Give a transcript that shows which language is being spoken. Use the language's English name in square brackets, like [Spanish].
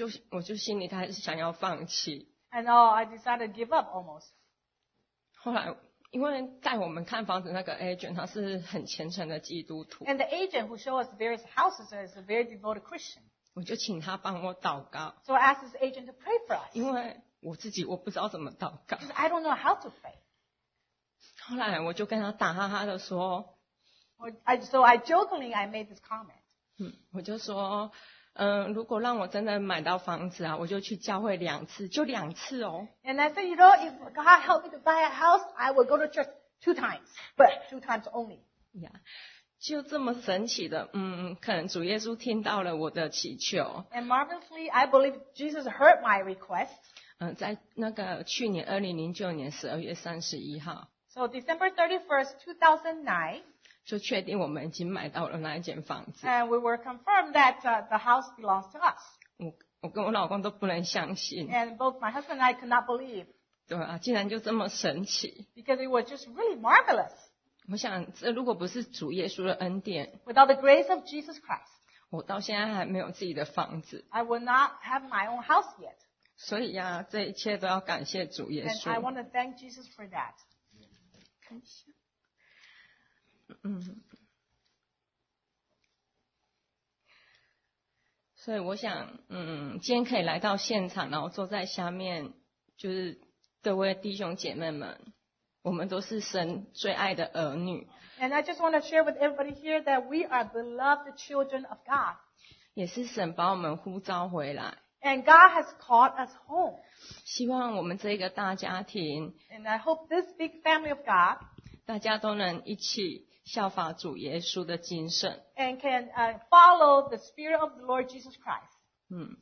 [Chinese] 我就心里还是想要放弃。 [English] And all, I decided to give up almost. [Chinese] 后来，因为带我们看房子那个 agent， 他是很虔诚的基督徒。 [English] And the agent who showed us various houses is a very devoted Christian. [Chinese] 我就请他帮我祷告。 [English] So I asked this agent to pray for us. [Chinese] 因为我自己我不知道怎么祷告。 [English] Because I don't know how to pray. [Chinese] 后来我就跟他打哈哈的说 [English] ，So I jokingly I made this comment。 [Chinese] 我就说，如果让我真的买到房子啊，我就去教会两次，就两次哦。 [English] And I said, you know, if God helped me to buy a house, I would go to church two times, but two times only. Yeah. [Chinese] 就这么神奇的，可能主耶稣听到了我的祈求。 [English] And marvelously, I believe Jesus heard my request. [Chinese] 在那个去年2009年12月31号。 [English] So December 31st, 2009. [Chinese] 就确定我们已经买到了那一间房子。 [English] And we were confirmed that the house belongs to us. [Chinese] 我跟我老公都不能相信。 [English] And both my husband and I could not believe. [Chinese] 对啊，竟然就这么神奇。 [English] Because it was just really marvelous. [Chinese] 我想，这如果不是主耶稣的恩典 [English] ，Without the grace of Jesus Christ, [Chinese] 我到现在还没有自己的房子。 [English] I would not have my own house yet. [Chinese] 所以呀，这一切都要感谢主耶稣。 [English] And I want to thank Jesus for that. [Chinese] 感谢。所以我想，今天可以来到现场，然后坐在下面，就是各位弟兄姐妹们，我们都是神最爱的儿女。 [English] And I just want to share with everybody here that we are beloved children of God. [Chinese] 也是神把我们呼召回来。 [English] And God has called us home. [Chinese] 希望我们这个大家庭。 [English] And I hope this big family of God. [Chinese] 大家都能一起。效法主耶稣的精神 [English] and can follow the spirit of the Lord Jesus Christ.